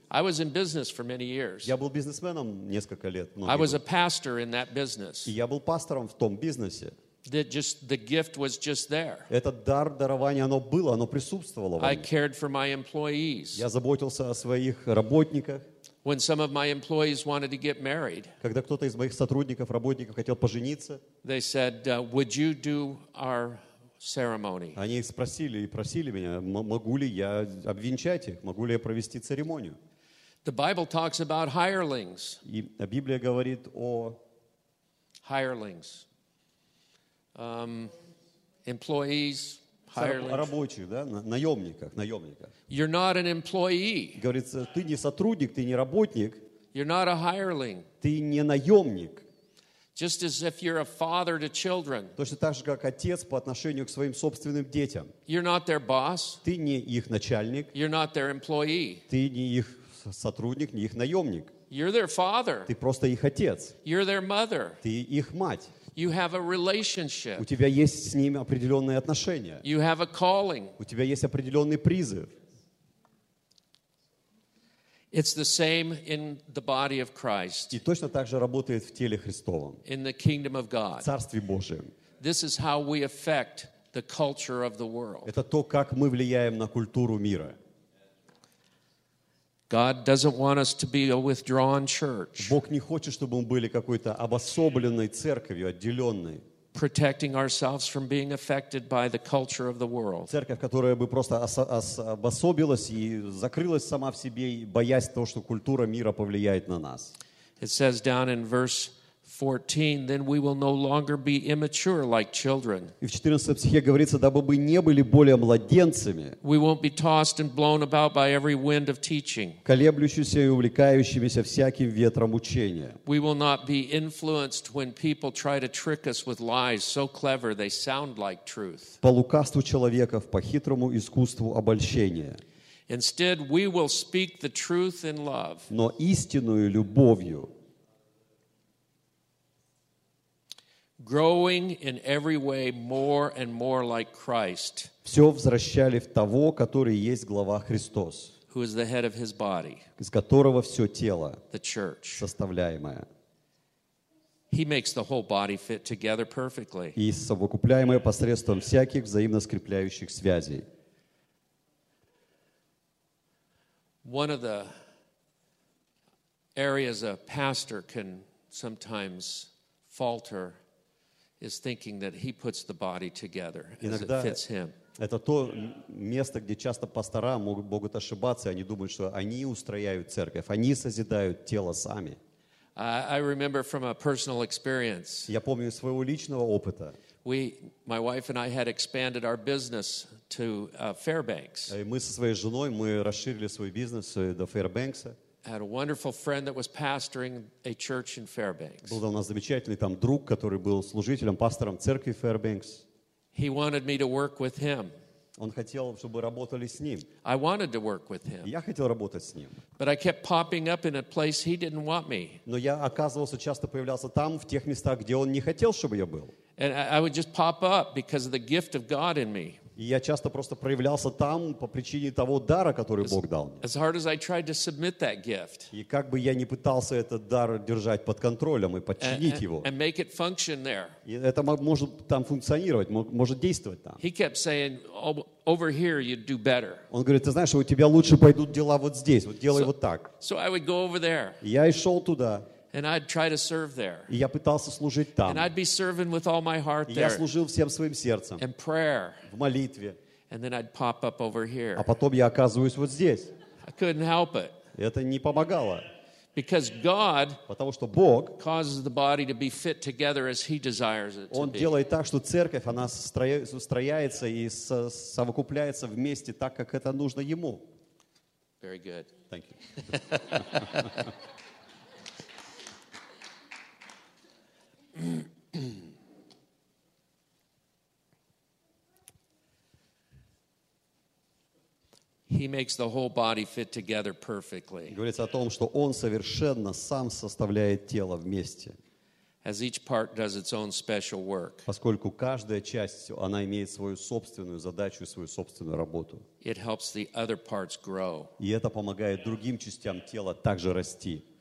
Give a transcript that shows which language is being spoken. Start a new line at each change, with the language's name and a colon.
English: I was in business for many years.
Russian: Я был бизнесменом несколько лет.
English: I was a pastor in that business.
Russian: И я был пастором в том бизнесе.
English: That just the gift was just there.
Russian: Этот дар дарования оно было, оно присутствовало во мне.
English: I cared for my employees.
Russian: Я заботился о своих работниках.
English: When some of my employees wanted to get married.
Russian: Когда кто-то из моих сотрудников, работников хотел пожениться.
English: They said, "Would you do our ceremony?"
Russian: Они спросили и просили меня, могу ли я обвенчать их, могу ли я провести церемонию.
English: The Bible talks about hirelings.
Russian: И Библия говорит о
English: hirelings. Employees, hirelings.
Russian: Рабочих, да? наемниках.
English: You're not an employee.
Russian: Говорится, ты не сотрудник, ты не работник.
English: You're not a hireling.
Russian: Ты не наемник.
English: Just as if you're a father to children.
Russian: Точно так же, как отец по отношению к своим собственным детям.
English: You're not their boss.
Russian: Ты не их начальник.
English: You're not their employee.
Russian: Ты не их сотрудник, не их наемник.
English: You're their father.
Russian: Ты просто их отец.
English: You're their mother.
Russian: Ты их мать.
English: You have a relationship.
Russian: У тебя есть с ними определенные отношения.
English: You have a calling.
Russian: У тебя есть определенный призыв.
English: It's the same in the body of Christ.
Russian: И точно так же работает в теле Христовом.
English: In the kingdom of God.
Russian: В Царстве Божьем.
English: This is how we affect the culture of the world.
Russian: Это то, как мы влияем на культуру мира.
English: God doesn't want us to be a withdrawn church.
Russian: Бог не хочет, чтобы мы были какой-то обособленной церковью, отделенной.
English: Protecting ourselves from being affected by the culture of the world.
Russian: Церковь, которая бы просто обособилась и закрылась сама в себе, боясь того, что культура мира повлияет на нас.
English: It says down in verse 14, then we will no longer be immature like children.
Russian: И в 14 стихе говорится, дабы мы не были более младенцами.
English: We won't be tossed and blown about by every wind of teaching.
Russian: Колеблющимися и увлекающимися всяким ветром учения.
English: We will not be influenced when people try to trick us with lies so clever they sound like truth.
Russian: По лукавству человеков, по хитрому искусству обольщения.
English: Instead, we will speak the truth in love.
Russian: Но истинную любовью.
English: Growing in every way more and more like Christ.
Russian: Все возвращали в того, который есть глава Христос.
English: Who is the head of His body?
Russian: Из которого все тело.
English: The church.
Russian: Составляемое.
English: He makes the whole body fit together perfectly.
Russian: И совокупляемое посредством всяких взаимно скрепляющих связей.
English: One of the areas a pastor can sometimes falter. Is thinking that he puts the body together as
Russian: иногда
English: it fits him.
Russian: Это то место, где часто пастора могут ошибаться, и они думают, что они устрояют церковь, они созидают тело сами.
English: I remember from a personal experience.
Russian: Я помню своего личного опыта.
English: My wife and I had expanded our business to Fairbanks.
Russian: Мы со своей женой мы расширили свой бизнес до Фэрбэнкса.
English: Had a wonderful friend that was pastoring a church in Fairbanks.
Russian: Был у нас замечательный там друг, который был служителем, пастором церкви Fairbanks.
English: He wanted me to work with him.
Russian: Он хотел, чтобы работали с ним.
English: I wanted to work with him.
Russian: Я хотел работать с ним.
English: But I kept popping up in a place he didn't want me.
Russian: Но я оказывался часто появлялся там в тех местах, где он не хотел, чтобы я был.
English: And I would just pop up because of the gift of God in me.
Russian: И я часто просто проявлялся там по причине того дара, который Бог дал мне.
English: As hard as I tried to submit that gift.
Russian: И как бы я ни пытался этот дар держать под контролем и подчинить его.
English: And make it function there.
Russian: И это может там функционировать, может действовать там.
English: He kept saying, "Over here, you'd do better."
Russian: Он говорит, ты знаешь, у тебя лучше пойдут дела вот здесь, вот делай вот так.
English: So I would go over there.
Russian: Я и шел туда.
English: And I'd try to serve there.
Russian: И я пытался служить там.
English: And I'd be serving with all my heart there.
Russian: И я служил всем своим сердцем.
English: And prayer.
Russian: В молитве.
English: And then I'd pop up over here.
Russian: А потом я оказываюсь вот здесь.
English: I couldn't help it.
Russian: Это не помогало.
English: Because God
Russian: Потому что Бог
English: causes the body to be fit together as He desires it to be.
Russian: Он делает так, что церковь, она устрояется и совокупляется вместе так, как это нужно Ему.
English: Very good. Thank you. He makes the whole body fit together perfectly.
Russian: Говорится о том, что он совершенно сам составляет тело вместе.
English: As each part does its own special work.
Russian: Поскольку каждая часть, она имеет свою собственную задачу и свою собственную работу.
English: It helps the other parts grow.
Russian: И это помогает другим частям тела также расти.